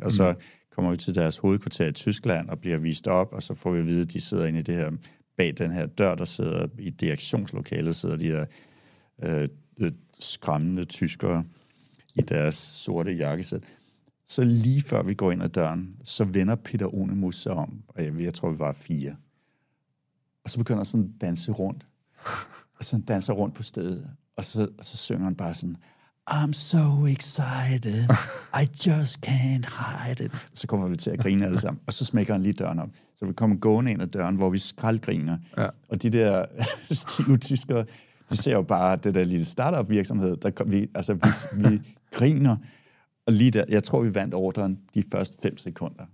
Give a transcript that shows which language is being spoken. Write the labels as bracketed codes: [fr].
[da] Og så kommer vi til deres hovedkvarter i Tyskland og bliver vist op, og så får vi at vide, at de sidder inde i det her, bag den her dør, der sidder i direktionslokalet, sidder de her skræmmende tyskere i deres sorte jakkesæt. Så lige før vi går ind ad døren, så vender Peter Ornemus sig om, og jeg tror, vi var 4. Og så begynder han sådan at danse rundt. Og så danser rundt på stedet, og så synger han bare sådan... [en] I'm so excited, I just can't hide it. [da] Så kommer vi til at grine alle sammen, og så smækker han lige døren op. Så vi kommer gående ind ad døren, hvor vi skraldgriner. Ja. Og de der stive tyskere, de ser jo bare det der lille startup-virksomhed. Vi griner, og lige der, jeg tror, vi vandt ordren de første 5 sekunder.